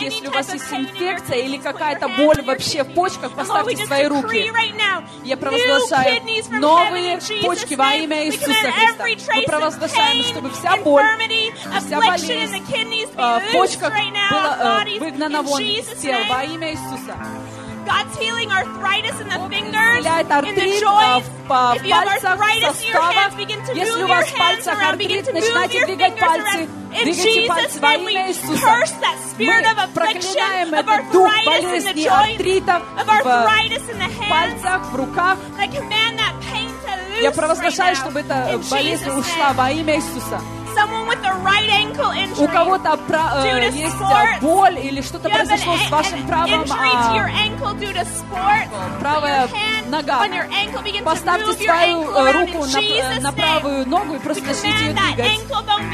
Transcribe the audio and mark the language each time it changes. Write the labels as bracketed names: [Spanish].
[Russian] если у вас есть инфекция или какая-то боль вообще в почках, поставьте свои руки. Я провозглашаю новые почки во имя Иисуса Христа. Мы провозглашаем, чтобы вся боль, вся болезнь в почках была выгнана вон из тела во имя Иисуса. [English] God's healing arthritis in the fingers, in the joints. If you have arthritis in your hands, begin to move your hands around. Begin to move your fingers around. In Jesus' name, we curse that spirit of affliction, of arthritis in the joints, of arthritis in the hands. I command that pain to loose right now. In Jesus' name, [Russian] болезнь ушла во имя Иисуса. [English] Someone with a right ankle injury. [Russian] У кого-то есть боль или что-то произошло с вашим правым правая нога. Поставьте свою руку на правую ногу и просто начните ее двигать.